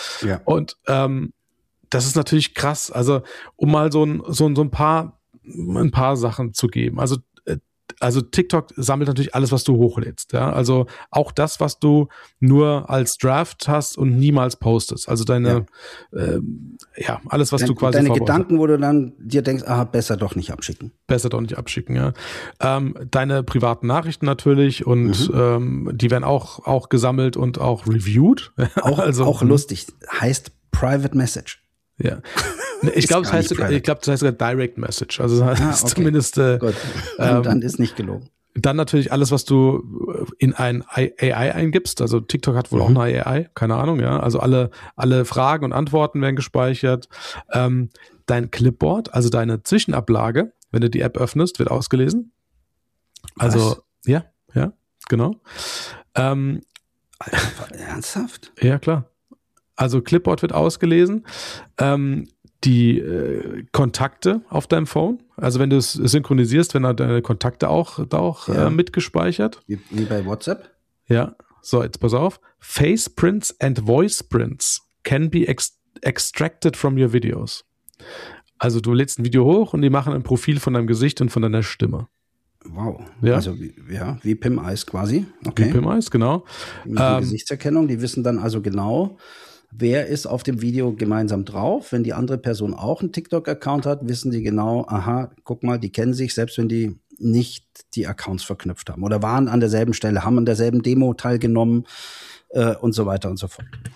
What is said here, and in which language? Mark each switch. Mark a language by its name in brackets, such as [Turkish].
[German] Ja. Und das ist natürlich krass. Also um mal ein paar Sachen zu geben. Also TikTok sammelt natürlich alles, was du hochlädst. Ja. Also auch das, was du nur als Draft hast und niemals postest. Also deine, alles, was du quasi deine Gedanken, wo du dann dir denkst, aha, besser doch nicht abschicken. Besser doch nicht abschicken, ja. Deine privaten Nachrichten natürlich und die werden auch gesammelt und auch reviewed. Auch, also, auch lustig. Heißt Private Message. Ja. Ich glaube, das heißt sogar Direct Message. Also das heißt zumindest. Gut. Dann ist nicht gelogen. Dann natürlich alles, was du in ein AI eingibst. Also TikTok hat wohl auch eine AI, keine Ahnung, ja. Also alle Fragen und Antworten werden gespeichert. Dein Clipboard, also deine Zwischenablage, wenn du die App öffnest, wird ausgelesen. Also, was? Ja, genau. Alter, ernsthaft? Ja, klar. Also Clipboard wird ausgelesen, die Kontakte auf deinem Phone, also wenn du es synchronisierst, wenn da deine Kontakte auch mitgespeichert. Wie bei WhatsApp? Ja, so jetzt pass auf. [English] Face prints and voice prints can be extracted from your videos. [German] Also du lädst ein Video hoch und die machen ein Profil von deinem Gesicht und von deiner Stimme. Wow, ja. Also wie PIM-Eyes quasi. Okay. Wie PIM-Eyes, genau. Die Gesichtserkennung, die wissen dann also genau, wer ist auf dem Video gemeinsam drauf. Wenn die andere Person auch einen TikTok-Account hat, wissen die genau, aha, guck mal, die kennen sich, selbst wenn die nicht die Accounts verknüpft haben oder waren an derselben Stelle, haben an derselben Demo teilgenommen und so weiter und so fort.